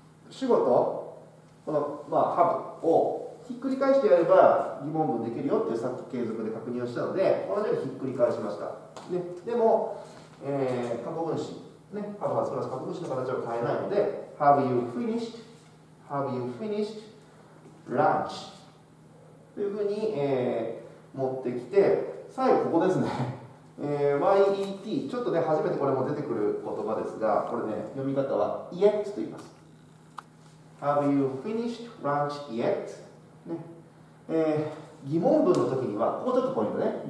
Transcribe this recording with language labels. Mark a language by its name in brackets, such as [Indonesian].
[Japanese] 主語とこの、まあ、ハブをひっくり返してやれば疑問文できるよってさっき継続で確認をしたので、同じようにひっくり返しました、ね、でも、過去分詞、ね、ハブはスプラス過去分詞の形を変えないので、はい、 [English] Have you finished? Have you finished lunch? [Japanese] というふうに、持ってきて、最後ここですね。 YET、ちょっとね、初めてこれも出てくる言葉ですが、これね、読み方は YET と言います。 [English] Have you finished lunch yet?、 [Japanese] ね、疑問文の時には、ここちょっとポイントね。